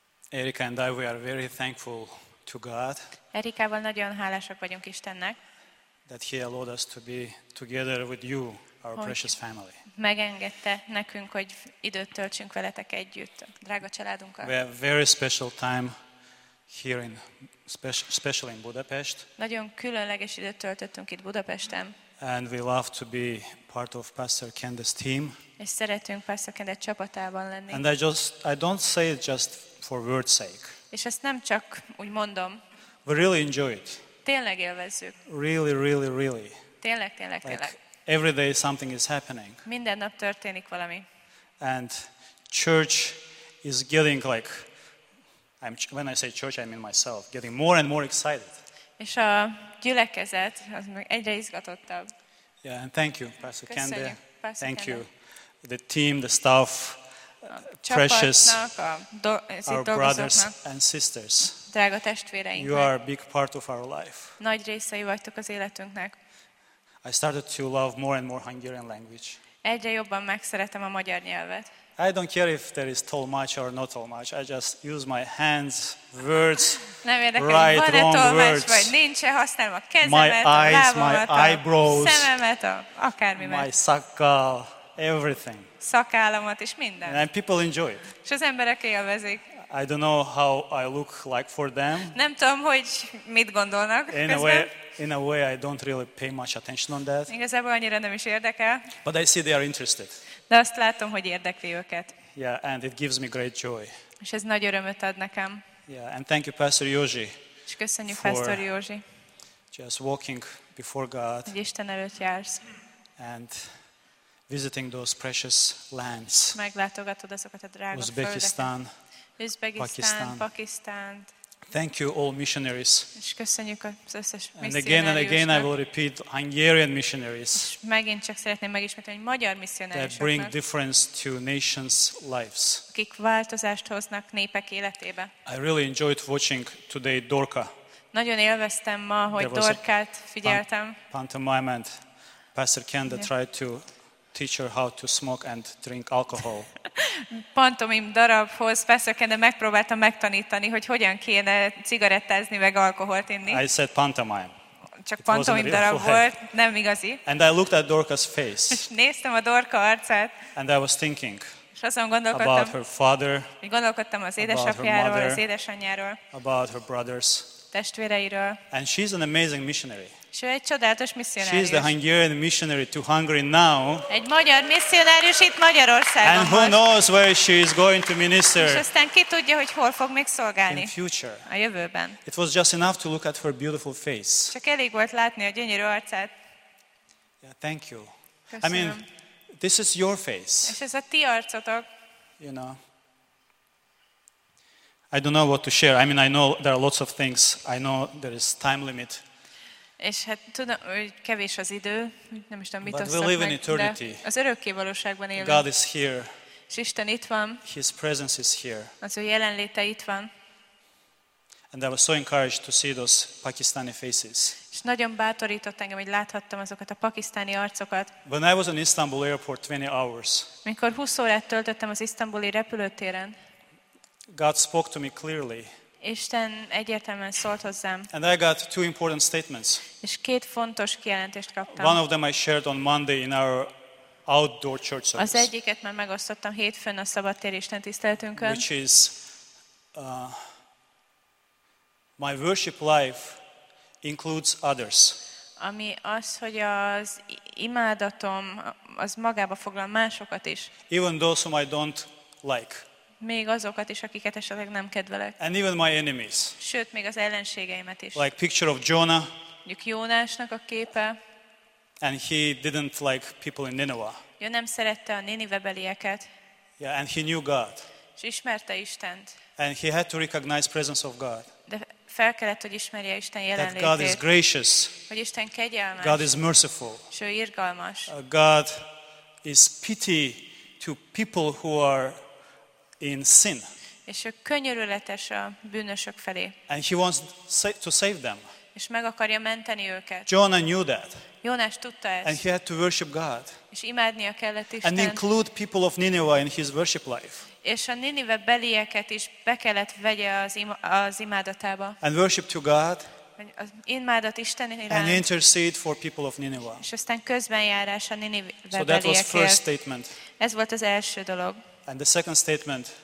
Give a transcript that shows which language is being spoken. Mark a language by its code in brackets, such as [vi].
[en] Erika and I, we are very thankful to God. [hu] Erikával nagyon hálásak vagyunk Istennek. [en] That He allowed us to be together with you, our precious family. [hu] Megengedte nekünk, hogy időt töltsünk veletek együtt, drága családunkkal. [en] We have very special time here in especially in Budapest. [hu] Nagyon különleges időt töltöttünk itt Budapesten. [en] And we love to be part of Pastor Kenda's team. [hu] És szeretünk Pastor Kenda csapatában lenni. [en] And I don't say it just for word's sake. [hu] És ezt nem csak úgy mondom. [en] We really enjoy it. [hu] Tényleg élvezzük. [en] Really, really, really. [hu] Tényleg, tényleg, [en] like [hu] tényleg. [en] Every day something is happening. [hu] Minden nap történik valami. [en] And church is getting like when I say church, I mean myself, getting more and more excited. [hu] És a gyülekezet az meg egyre izgatottabb. [en] Yeah, and thank you, Pastor Kende. Thank you, the team, the staff, precious, our brothers and sisters. [hu] Drága testvéreink. [en] You are a big part of our life. [hu] Nagy részei vagytok az életünknek. [en] I started to love more and more Hungarian language. [hu] Egyre jobban megszeretem a magyar nyelvet. [en] I don't care if there is tolmács or not tolmács. I just use my hands, words, [hu] nem érdekel, [en] right, [hu] van-e [en] wrong words. [hu] Vagy nincs-e, használom a kezemet, [en] my eyes, [hu] a lábamat, a szememet, akármi meg. [en] My szakál, everything. [hu] Szakállamat és minden. [en] And people enjoy it. [hu] És az emberek élvezik. [en] I don't know how I look like for them. [hu] Nem tudom, hogy mit gondolnak közben. [en] In a way, I don't really pay much attention on that. [hu] Igazából annyira nem is érdekel. [en] But I see they are interested. [hu] De azt látom, hogy érdekli őket. [en] Yeah, and it gives me great joy. [hu] És ez nagy örömöt ad nekem. [en] Yeah, and thank you, Pastor Józsi. [hu] És köszönjük, Pastor Józsi. [en] Just walking before God. [hu] Hogy Isten előtt jársz. [en] And visiting those precious lands. [hu] Meglátogatod azokat a drága földeket. [en] Uzbekistan. [hu] Uzbekistan, Pakisztán. [en] Thank you, all missionaries. [hu] És köszönjük az összes missionáriusnak. [en] And again and again I will repeat, Hungarian missionaries. [hu] És megint csak szeretném megismételni, hogy magyar missionáriusoknak. [en] That bring difference to nations' lives. [hu] Akik változást hoznak népek életébe. [en] I really enjoyed watching today Dorka. [hu] Nagyon élveztem ma, hogy Dorkát figyeltem. [en] Pantomime and Pastor Kenda tried to teach her how to smoke and drink alcohol. [hu] Pantomim darabhoz Pastor Kenda megpróbáltam megtanítani, hogy hogyan kéne cigarettázni meg alkoholt inni. [en] I said pantomime. [hu] Csak pantomim darab volt, nem igazi. [en] And I looked at Dorka's face. [hu] Néztem a Dorka arcát. [en] And I was thinking. [hu] És azon gondolkodtam. [en] About her father. [hu] Gondolkodtam az édesapjáról, az édesanyjáról. [en] About her brothers. [hu] Testvéreiről. [en] And she's an amazing missionary. [hu] És ő egy csodálatos missionárius. [en] She is the Hungarian missionary to Hungary now. [hu] Egy magyar missionárius itt Magyarországon. [en] And who knows where she is going to minister. [hu] És aztán ki tudja, hogy hol fog még szolgálni. [en] In future. [hu] A jövőben. [en] It was just enough to look at her beautiful face. [hu] Csak elég volt látni a gyönyörű arcát. [en] Yeah, thank you. [hu] Köszönöm. [en] I mean, this is your face. [hu] És ez a ti arcotok. [en] You know. I don't know what to share. I mean, I know there are lots of things. I know there is time limit. [hu] És hát tudom, hogy kevés az idő, nem is tudom, mit osztok meg, [en] in eternity. [hu] De az örökké valóságban élünk. [en] God is here. [hu] És Isten itt van. [en] His presence is here. [hu] Az ő jelenléte itt van. [en] And I was so encouraged to see those Pakistani faces. [hu] És nagyon bátorított engem, hogy láthattam azokat a pakisztáni arcokat. [en] When I was in Istanbul airport 20 hours. [hu] Mikor 20 órát töltöttem az isztambuli repülőtéren. [en] God spoke to me clearly. [hu] Isten egyértelműen szólt hozzám. [en] And I got two important statements. [hu] És két fontos kijelentést kaptam. [en] One of them I shared on Monday in our outdoor church service. [hu] Az egyiket már megosztottam hétfőn a szabadtéri istentiszteletünkön. [en] Which is my worship life includes others. [hu] Ami az, hogy az imádatom az magába foglal másokat is. [en] Even those whom I don't like. [hu] Még azokat is, akiket esetleg nem kedvelek. [en] And even my enemies. [hu] Sőt, még az ellenségeimet is. [en] Like picture of Jonah. [hu] Mondjuk Jónásnak a képe. [en] And he didn't like people in Nineveh. [hu] Ő nem szerette a ninivebelieket. [en] Yeah, and he knew God. [hu] És ismerte Istent. [en] And he had to recognize presence of God. [hu] De fel kellett, hogy ismerje Isten jelenlétét. [en] That God is gracious. [hu] Hogy Isten kegyelmes. [en] God is merciful. [hu] És ő irgalmas. [en] God is pity to people who are in sin. [hu] És ő könyörületes a bűnösök felé. [en] And he wants to save them. [hu] és meg akarja menteni őket. [en] Jonah knew that. [hu] Jónás tudta ezt. [en] And he had to worship God. [hu] És imádnia kellett Istent. [en] And include people of Nineveh in his worship life. [hu] És a Ninive belieket is be kellett vegye az imádatába. [en] And worship to God. [hu] Az imádat Isten iránt. [en] And intercede for people of Nineveh. [hu] És aztán közbenjárás a Ninive beliekért. [en] So that was first statement. [hu] Ez volt az első dolog. [en] And the second statement.